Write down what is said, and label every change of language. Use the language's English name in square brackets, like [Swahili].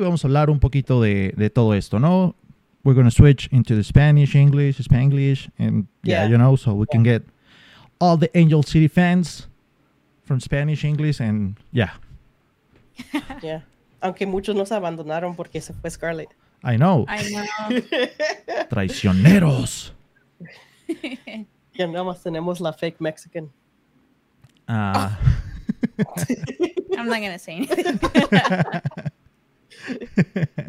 [Spanish] Vamos a hablar un poquito de todo esto, ¿no? [English] We're going to switch into the Spanish, English, Spanglish. And yeah, you know, so we can get all the Angel City fans from Spanish, English, and yeah. Yeah. [Spanish] Aunque muchos nos abandonaron porque se fue Scarlett. [English] I know. [Spanish] Traicioneros. Ya nomás tenemos la [English] fake Mexican. I'm not going to say anything.